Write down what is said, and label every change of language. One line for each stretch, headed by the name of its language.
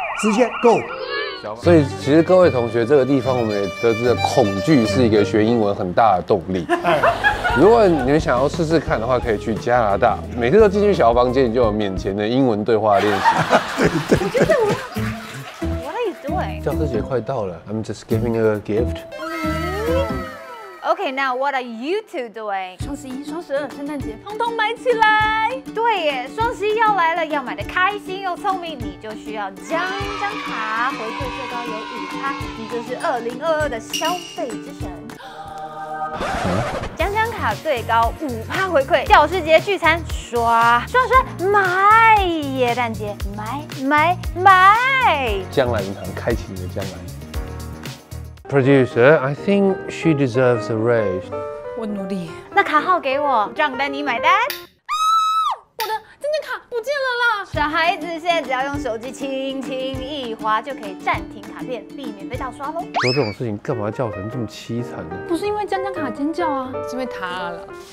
Chinese: 直接 go，所以其实各位同学，这个地方我们也得知了，恐惧是一个学英文很大的动力。如果你们想要试试看的话，可以去加拿大，每次都进去小房间，你就有面前的英文对话练习。对对对。
English: What are you doing？教师节快到了，I'm just giving a gift。 Okay, now what are you two doing?
Chinese: 双十一、双十二、圣诞节，通通买起来！对耶，双十一要来了，要买的开心又聪明，你就需要将一张卡，回馈最高有5%，你就是2022的消费之神。将将卡最高5%回馈，教师节聚餐刷刷刷买，耶诞节买买买，将来银行开启你的将来。
English: Producer, I think she deserves a raise.
Chinese: 我努力。那卡号给我，账单你买单。我的证件卡不见了啦！小孩子现在只要用手机轻轻一滑，就可以暂停卡片，避免被盗刷喽。做这种事情干嘛叫成这么凄惨呢？不是因为江江卡尖叫啊，是因为他了。